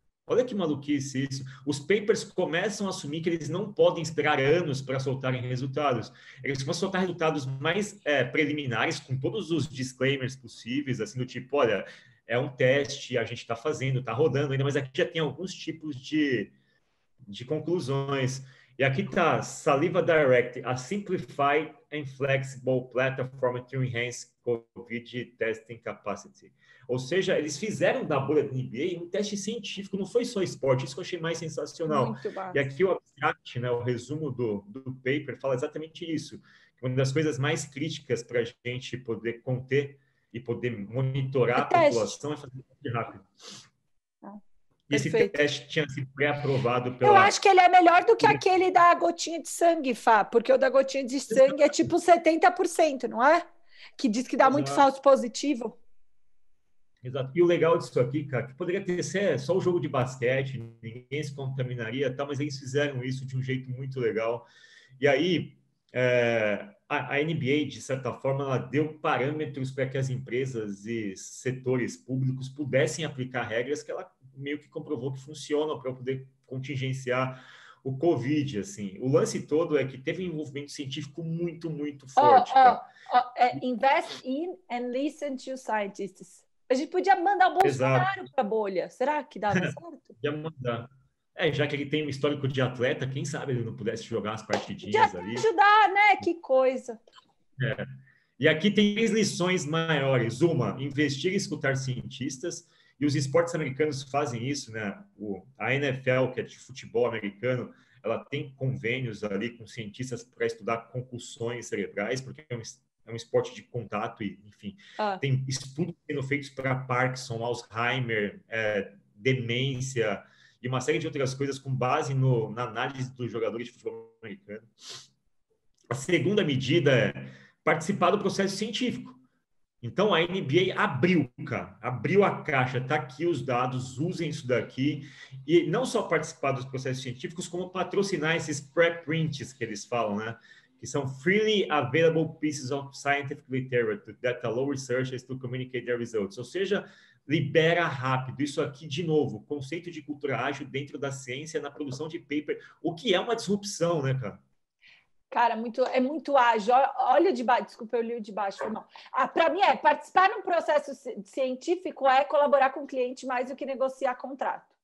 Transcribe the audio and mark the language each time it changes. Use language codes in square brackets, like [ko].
[pt] Olha que maluquice isso. Os papers começam a assumir que eles não podem esperar anos para soltarem resultados. Eles começam a soltar resultados mais preliminares, com todos os disclaimers possíveis, assim, do tipo, olha, é um teste, a gente está fazendo, está rodando ainda, mas aqui já tem alguns tipos de conclusões. E aqui está [en] Saliva Direct, a Simplified and Flexible Platform to Enhance COVID Testing Capacity. [pt] Ou seja, eles fizeram da bolha do NBA um teste científico, não foi só esporte, isso que eu achei mais sensacional. E aqui o abstract, né, o resumo do paper, fala exatamente isso. Uma das coisas mais críticas para a gente poder conter e poder monitorar a população é fazer um teste rápido. E esse teste tinha sido pré-aprovado pela... Eu acho que ele é melhor do que aquele da gotinha de sangue, Fá, porque o da gotinha de sangue é tipo 70%, não é? Que diz que dá muito falso positivo. Exato. E o legal disso aqui, cara, que poderia ter sido só o jogo de basquete, ninguém se contaminaria, tá, mas eles fizeram isso de um jeito muito legal. E aí, a NBA, de certa forma, ela deu parâmetros para que as empresas e setores públicos pudessem aplicar regras que ela meio que comprovou que funcionam para poder contingenciar o COVID, assim. O lance todo é que teve um envolvimento científico muito, muito forte. [en] Invest in and listen to scientists. [pt] A gente podia mandar o Bolsonaro para a bolha. Será que dava certo? Podia mandar. Já que ele tem um histórico de atleta, quem sabe ele não pudesse jogar as partidinhas já ali. Podia ajudar, né? Que coisa. E aqui tem três lições maiores. Uma, investir e escutar cientistas. E os esportes americanos fazem isso, né? A NFL, que é de futebol americano, ela tem convênios ali com cientistas para estudar concussões cerebrais, porque é um esporte de contato, e, enfim. Tem estudos sendo feitos para Parkinson, Alzheimer, demência e uma série de outras coisas com base na análise dos jogadores de futebol americano. A segunda medida é participar do processo científico. Então, a NBA abriu, cara, abriu a caixa, tá aqui os dados, usem isso daqui, e não só participar dos processos científicos, como patrocinar esses preprints que eles falam, né? Que são [en] freely available pieces of scientific literature that allow researchers to communicate their results. [pt] Ou seja, libera rápido. Isso aqui, de novo, conceito de cultura ágil dentro da ciência, na produção de paper, o que é uma disrupção, né, cara? Cara, é muito ágil. Olha de baixo. Desculpa, eu li o de baixo. Para mim, participar num processo científico é colaborar com o cliente mais do que negociar contrato.